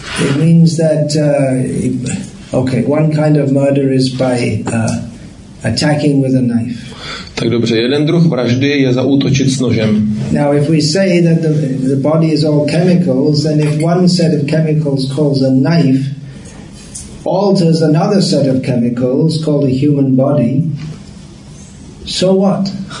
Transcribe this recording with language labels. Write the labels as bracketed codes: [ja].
[en] It means that okay, one kind of murder is by attacking with a knife. [cs] Tak dobře, jeden druh vraždy je zaútočit s nožem. [en] Now if we say that the body is all chemicals, then if one set of chemicals calls a knife alters another set of chemicals called a human body, so what?